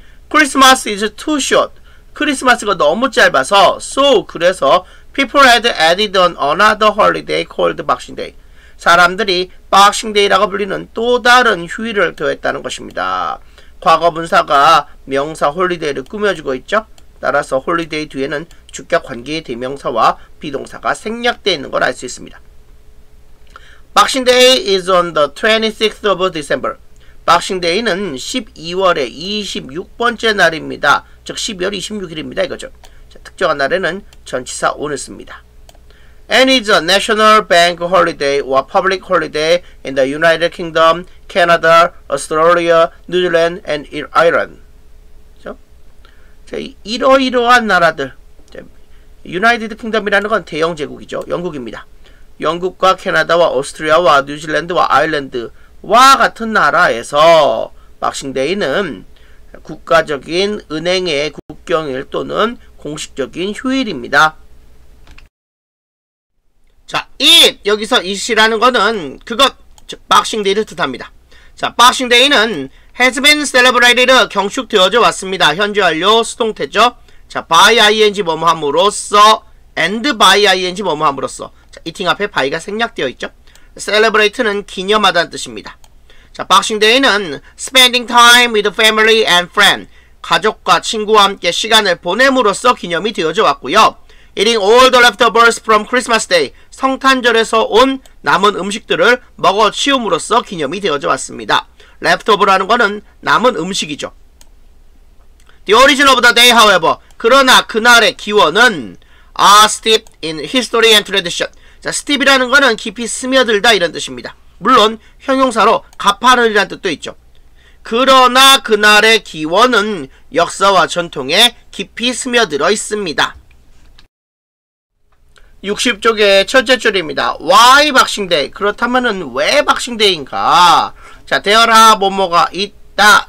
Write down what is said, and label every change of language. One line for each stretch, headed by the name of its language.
English: Christmas is too short.
Korean: 크리스마스가 너무 짧아서,
English: so,
Korean: 그래서
English: people had added on another holiday called Boxing Day.
Korean: 사람들이 Boxing Day라고 불리는 또 다른 휴일을 더했다는 것입니다. 과거 분사가 명사 홀리데이를 꾸며주고 있죠. 따라서 홀리데이 뒤에는 주격 관계의 대명사와 비동사가 생략되어 있는 걸 알 수 있습니다.
English: Boxing Day is on the 26th of December.
Korean: Boxing Day는 12월의 26번째 날입니다. 즉 12월 26일입니다. 이거죠. 자, 특정한 날에는 전치사 오늘 씁니다.
English: And is a national bank holiday or public holiday in the United Kingdom, Canada, Australia, New Zealand, and Ireland.
Korean: 자, 이러이러한 나라들. 유나이티드 킹덤이라는 건 대영제국이죠. 영국입니다. 영국과 캐나다와 오스트리아와 뉴질랜드와 아일랜드와 같은 나라에서 박싱데이는 국가적인 은행의 국경일 또는 공식적인 휴일입니다. 자, it! 여기서 it이라는 거는 그것, 즉 박싱데이를 뜻합니다. 자, 박싱데이는
English: has been celebrated,
Korean: 경축되어져 왔습니다. 현재 완료 수동태죠. 자, by ing 뭐뭐함으로써, and by ing 뭐뭐함으로써. 자, eating 앞에 by가 생략되어 있죠. celebrate는 기념하다는 뜻입니다.
English: 자, Boxing Day는 spending time with family and friend.
Korean: 가족과 친구와 함께 시간을 보냄으로써 기념이 되어져 왔고요.
English: eating all the leftovers from Christmas Day.
Korean: 성탄절에서 온 남은 음식들을 먹어 치움으로써 기념이 되어져 왔습니다. leftover라는 거는 남은 음식이죠.
English: The origin of the day, however,
Korean: 그러나 그날의 기원은
English: are steeped in history and tradition.
Korean: 자, steep이라는 거는 깊이 스며들다 이런 뜻입니다. 물론 형용사로 가파르다는 뜻도 있죠. 그러나 그날의 기원은 역사와 전통에 깊이 스며들어 있습니다. 60쪽의 첫째 줄입니다.
English: Why Boxing Day?
Korean: 그렇다면 왜 Boxing Day인가? 자,
English: there are
Korean: 뭐뭐가 있 있다.